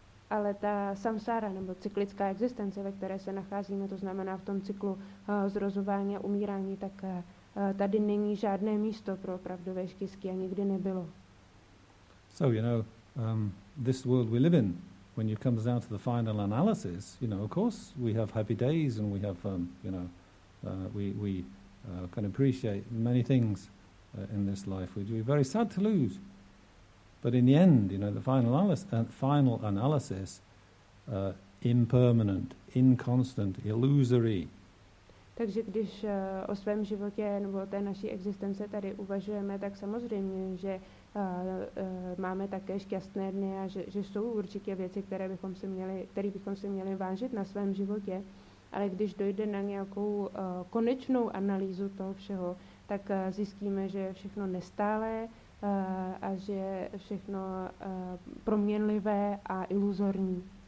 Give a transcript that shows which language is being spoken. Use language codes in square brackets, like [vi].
[cs] Ale ta samsára nebo cyklická existence, ve které se nacházíme, to znamená v tom cyklu zrozování a umírání, tak tady není žádné místo pro opravdové štěstí a nikdy nebylo. [en] So, you know, this world we live in, when it comes down to the final analysis, you know, of course we have happy days and we have, can appreciate many things in this life, which we're very sad to lose. But in the end, you know, the final analysis, impermanent, inconstant, illusory. [cs] Takže když o svém životě nebo o té naší existenci tady uvažujeme, tak samozřejmě, že máme také šťastné dny a že jsou určitě věci, které bychom si měli vážit na svém životě. Ale když dojde na nějakou konečnou analýzu toho všeho, tak zjistíme, že je všechno nestálé, a že je všechno proměnlivé a iluzorní.